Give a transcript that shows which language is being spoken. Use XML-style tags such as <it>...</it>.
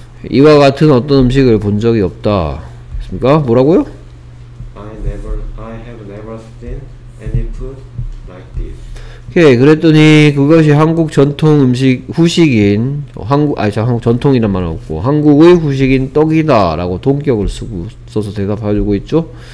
<ko>이와 같은 어떤 음식을 본 적이 없다. 됐습니까? 뭐라고요?</ko> <en>I have never seen any food like this.</en> <ko>오케이, 그랬더니 그것이 한국 전통 음식 후식인 한국 전통이란 말은 없고 한국의 후식인 떡이다라고 동격을 쓰고 써서 대답해 주고 있죠.</ko>